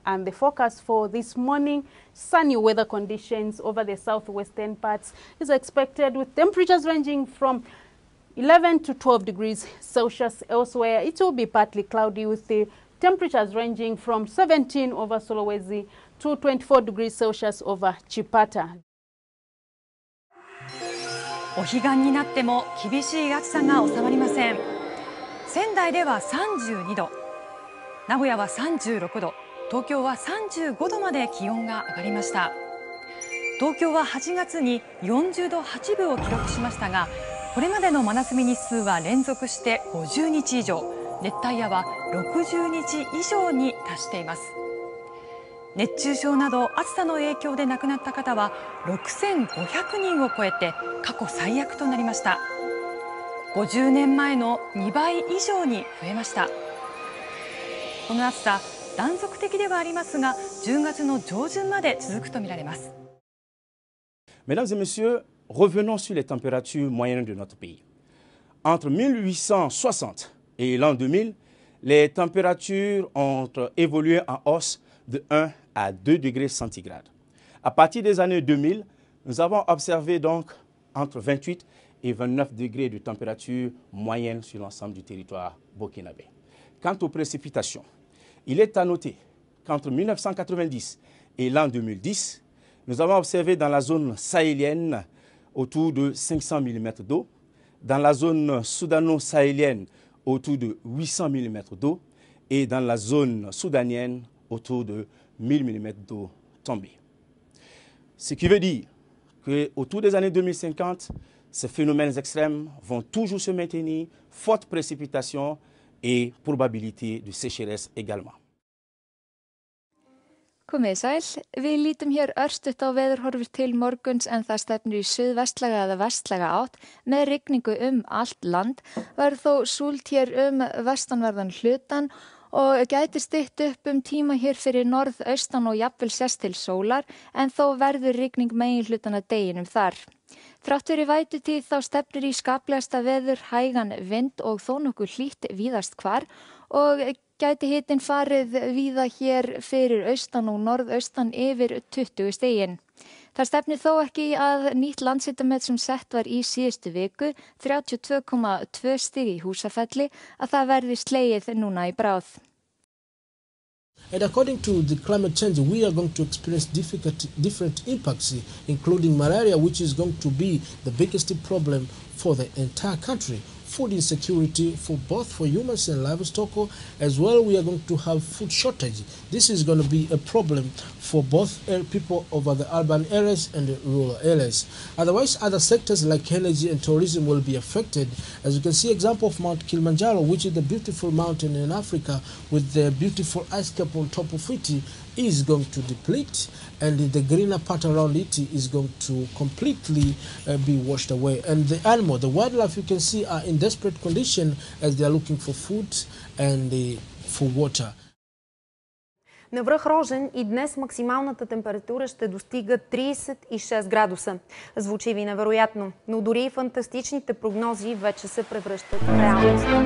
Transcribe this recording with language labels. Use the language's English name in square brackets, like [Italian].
[English] And the forecast for this morning, sunny weather conditions over the southwestern parts is expected with temperatures ranging from 11 to 12 degrees Celsius. Elsewhere, it will be partly cloudy with the temperatures ranging from 17 over Sulawesi to 24 degrees Celsius over Chipata. [Japanese] お彼岸になっても厳しい暑さが収まりません。仙台では 32度、 名古屋は 36度、 東京は 35度まで気温が上がりました。東京は 8月に 40度 8分を記録しましたが、 これまでの真夏日日数は 連続して 50日以上、 熱帯夜は 60日以上に達しています。熱中症など暑さの影響で亡くなった方は 6500人を超えて 過去最悪となりました。 50年前の 2倍以上に増えました。この暑さ、断続的ではありますが、10月の上旬まで続くとみられます。 [French] Mesdames et messieurs, revenons sur les températures moyennes de notre pays. Entre 1860 et l'an 2000, les températures ont évolué en hausse de 1 à 2 degrés centigrades. À partir des années 2000, nous avons observé donc entre 28 et 29 degrés de température moyenne sur l'ensemble du territoire burkinabé. Quant aux précipitations, il est à noter qu'entre 1990 et l'an 2010, nous avons observé dans la zone sahélienne autour de 500 mm d'eau, dans la zone soudano-sahélienne autour de 800 mm d'eau et dans la zone soudanienne autour de 1000 mm d'eau tombée. Ce qui veut dire qu'autour des années 2050, ces phénomènes extrêmes vont toujours se maintenir, fortes précipitations et probabilité de sécheresse également. [Icelandic] Komið sæl, við lítum hér örstutt á veðurhorfur til morguns en það stefnir í suðvestlaga eða vestlaga átt með rigningu allt land, verður þó súld hér vestanverðan hlutan og gæti stytt upp tíma hér fyrir norðaustan og jafnvel sést til sólar en þó verður rigning megin hlutana deginum þar. Þrátt fyrir vætutíð þá stefnir í skaplegasta veður hægan vind og þó nokkuð hlýtt víðast hvar og gæti hitinn farið víða hér fyrir austan og norðaustan yfir 20 stigin. Það stefnir þó ekki að nýtt landshitamet sem sett var í síðustu viku, 32,2 stig í Húsafelli, að það verði slegið núna í bráð. [English] And according to the climate change, we are going to experience different impacts, including malaria, which is going to be the biggest problem for the entire country. Food insecurity for both for humans and livestock, as well we are going to have food shortage. This is going to be a problem for both people over the urban areas and the rural areas. Otherwise, other sectors like energy and tourism will be affected. As you can see, example of Mount Kilimanjaro, which is a beautiful mountain in Africa with the beautiful ice cap on top of it, is going to deplete, and the greener part around it is going to completely be washed away. And the animal, the wildlife, you can see are in desperate condition as they are looking for food and for water. [Bulgarian] На връх Рожен и днес максималната температура ще достига 36 градуса. Звучи ви невероятно, но дори и фантастичните прогнози вече се превръщат в реалност.